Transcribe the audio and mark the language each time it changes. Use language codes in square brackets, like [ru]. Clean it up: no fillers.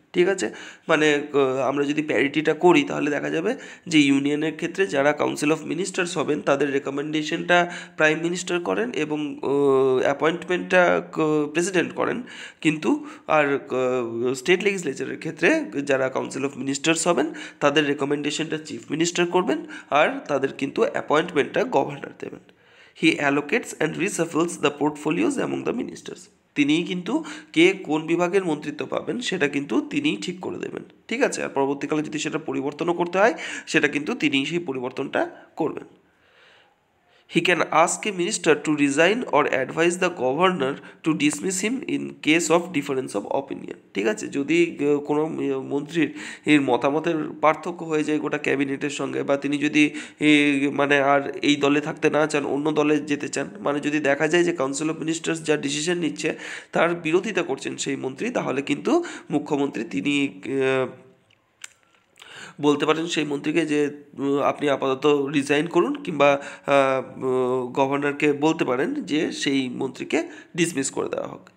[bn] ঠিক আছে, মানে আমরা যদি প্যারিটিটা করি তাহলে দেখা যাবে যে ইউনিয়নের ক্ষেত্রে যারা কাউন্সিল অফ মিনিস্টার্স হবেন তাদের রেকমেন্ডেশনটা প্রাইম মিনিস্টার করেন এবং অ্যাপয়েন্টমেন্টটা প্রেসিডেন্ট করেন, কিন্তু আর স্টেট লেজিসলেচারের ক্ষেত্রে যারা কাউন্সিল অফ মিনিস্টার্স হবেন তাদের রেকমেন্ডেশনটা চিফ মিনিস্টার করবেন আর তাদের কিন্তু অ্যাপয়েন্টমেন্টটা গভর্নর দেবেন। [en] He allocates and reshuffles the portfolios among the ministers. [bn] তিনিই কিন্তু কে কোন বিভাগের মন্ত্রিত্ব পাবেন সেটা কিন্তু তিনিই ঠিক করে দেবেন। ঠিক আছে, আর পরবর্তীকালে যদি সেটা পরিবর্তনও করতে হয় সেটা কিন্তু তিনিই সেই পরিবর্তনটা করবেন। [en] He can ask a minister to resign or advise the governor to dismiss him in case of difference of opinion. [bn] ঠিক আছে, যদি কোনো মন্ত্রীর এর মতামতের পার্থক্য হয়ে যায় গোটা ক্যাবিনেটের সঙ্গে, বা তিনি যদি মানে আর এই দলে থাকতে না চান, অন্য দলে যেতে চান, মানে যদি দেখা যায় যে কাউন্সিল অফ মিনিস্টার্স যা ডিসিশন নিচ্ছে তার বিরোধিতা করছেন সেই মন্ত্রী, তাহলে কিন্তু মুখ্যমন্ত্রী তিনি বলতে পারেন সেই মন্ত্রীকে যে আপনি আপাতত রিজাইন করুন, কিংবা গভর্নরকে বলতে পারেন যে সেই মন্ত্রীকে ডিসমিস করে দেওয়া হোক।